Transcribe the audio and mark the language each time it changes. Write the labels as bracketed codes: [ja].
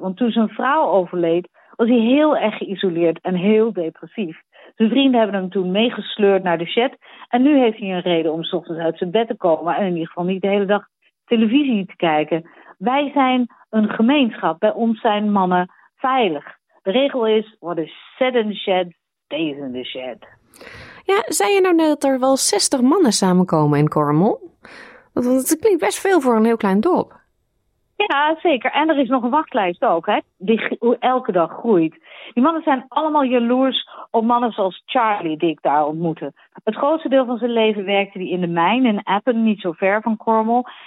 [nl] Want toen zijn vrouw overleed, was hij heel erg geïsoleerd en heel depressief. Zijn vrienden hebben hem toen meegesleurd naar de shed. En nu heeft hij een reden om 's ochtends uit zijn bed te komen en in ieder geval niet de hele dag televisie te kijken. Wij zijn een gemeenschap. Bij ons zijn mannen veilig. De regel is, [en] what is said in the shed, [nl] stays in the shed. Ja, zei je nou net dat er wel 60 mannen samenkomen in Cornwall? Dat klinkt best veel voor een heel klein dorp. Ja, zeker. En er is nog een wachtlijst ook, hè, die elke dag groeit. Die mannen zijn allemaal jaloers op mannen zoals Charlie, die ik daar ontmoette. Het grootste deel van zijn leven werkte hij in de mijn in Appen, niet zo ver van Cornwall.